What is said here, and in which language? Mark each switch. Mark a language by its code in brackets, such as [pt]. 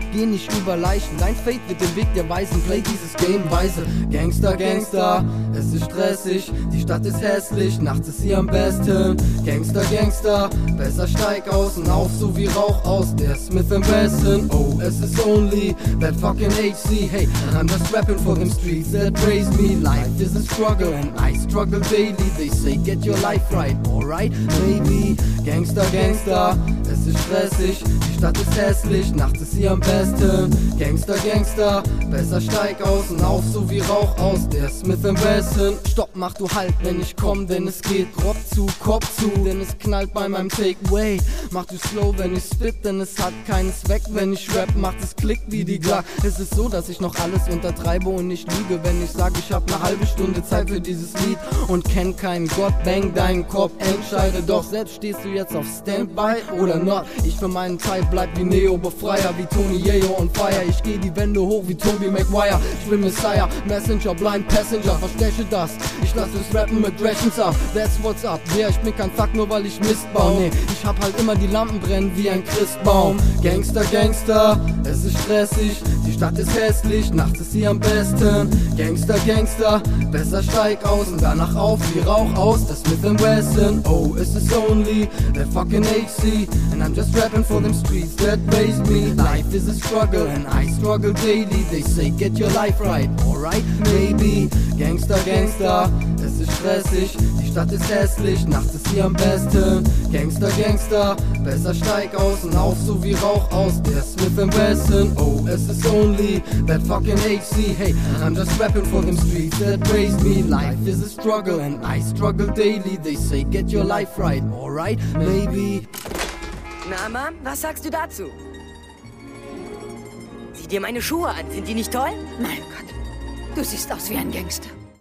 [de] Geh nicht über Leichen, dein Fate wird den Weg der Weisen, play dieses Game weise. Gangster, Gangster, es ist stressig, die Stadt ist hässlich, nachts ist sie am besten. Gangster, Gangster, besser steig aus und auf, so wie Rauch aus, der Smith & Wesson. [en] Oh, [de] es ist [en] only that fucking HC. Hey, I'm just rapping for them streets that praise me. Life is a struggle and I struggle daily. They say get your life right, alright, maybe. [de] Gangster, Gangster, es ist stressig, die Stadt ist hässlich, nachts ist sie am besten. Gangster, Gangster, besser steig aus und auf, so wie Rauch aus, der Smith & Wesson. Stopp, mach du Halt, wenn ich komm, denn es geht Kopf zu, Kopf zu, denn es knallt bei meinem Takeaway. Mach du Slow, wenn ich spit, denn es hat keinen Zweck. Wenn ich rap, macht es Klick wie die Glock. Es ist so, dass ich noch alles untertreibe und nicht lüge, wenn ich sag, ich hab ne halbe Stunde Zeit für dieses Lied und kenn keinen Gott. Bang deinen Kopf, entscheide doch selbst, stehst du jetzt auf Standby oder not? Ich für meinen Teil bleib wie Neo, Befreier, wie Tony Yeo on fire. Ich geh die Wände hoch wie Tobey Maguire. Ich bin Messiah, Messenger, Blind Passenger. Versteche das, ich lass das Rappen mit Rations ab. [en] That's what's up, yeah, [de] ich bin kein Fuck, nur weil ich Mist baue. Nee, ich hab halt immer die Lampen brennen wie ein Christbaum. Gangster, Gangster, es ist stressig, die Stadt ist hässlich, nachts ist sie am besten. Gangster, Gangster, besser steig aus und danach auf wie Rauch aus, das Smith & Wesson. [en] Oh, [de] es ist [en] only that fucking HC, and I'm just rapping for them streets that raised me. Life is a struggle and I struggle daily. They say get your life right, alright, maybe. [de] Gangster, Gangster, es ist stressig, die Stadt ist hässlich, nachts ist sie am besten. Gangster, Gangster, besser steig aus und auf, so wie Rauch aus, der Smith & Wesson. [en] Oh, [de] es ist [en] only that fucking HC. Hey, I'm just rapping for them streets that praise me. Life is a struggle and I struggle daily. They say get your life right, alright, maybe. [de] Na, Mom, was sagst du dazu? Sieh dir meine Schuhe an, sind die nicht toll? Mein Gott, du siehst aus wie ein Gangster.